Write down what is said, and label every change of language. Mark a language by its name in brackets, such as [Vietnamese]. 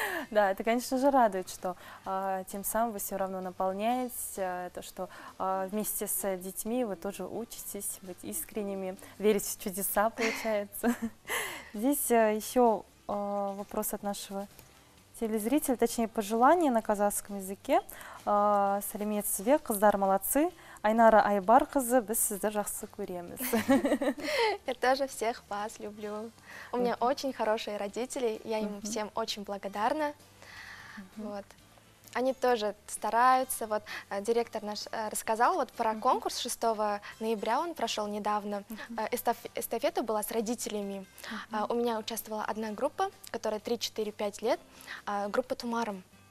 [Russian] Да, это, конечно же, радует, что тем самым вы все равно наполняетесь, то, что вместе с детьми вы тоже учитесь быть искренними, верить в чудеса, получается. Здесь еще вопрос от нашего телезрителя, точнее, пожелание на казахском языке. [Kazakh] Сәлеметсіз бе, қыздар [Russian] молодцы. [Kazakh] Айнара Айбарқызы, біз сізді жақсы көреміз. [Russian] Я тоже всех вас люблю. У меня очень хорошие родители, я им всем очень благодарна. Вот. Они тоже стараются. Вот директор наш рассказал вот про конкурс 6 ноября, он прошел недавно. Эстафета была с родителями. У меня участвовала одна группа, которая 3-4-5 лет, группа Тумаром.